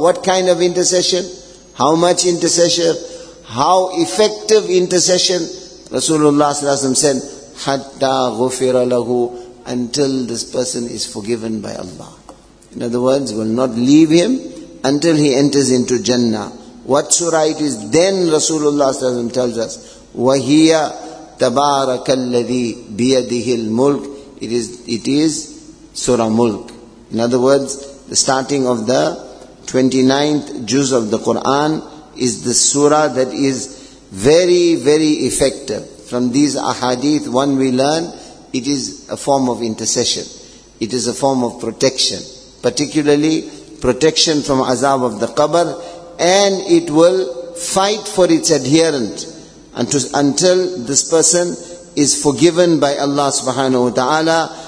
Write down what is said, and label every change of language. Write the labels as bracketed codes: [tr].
[en] What kind of intercession? How much intercession? How effective intercession? Rasulullah sallallahu alayhi wa sallam said, [ar] Hatta ghufira lahu, [en] until this person is forgiven by Allah. In other words, will not leave him until he enters into Jannah. What surah it is? Then Rasulullah tells us, [ar] وَهِيَ تَبَارَكَ الَّذِي بِيَدِهِ الْمُلْكِ. [en] It is Surah Mulk. In other words, the starting of the 29th juz of the Quran is the surah that is very, very effective. From these ahadith, one we learn, it is a form of intercession. It is a form of protection. Particularly, protection from azab of the qabr, and it will fight for its adherent until this person is forgiven by Allah subhanahu wa ta'ala.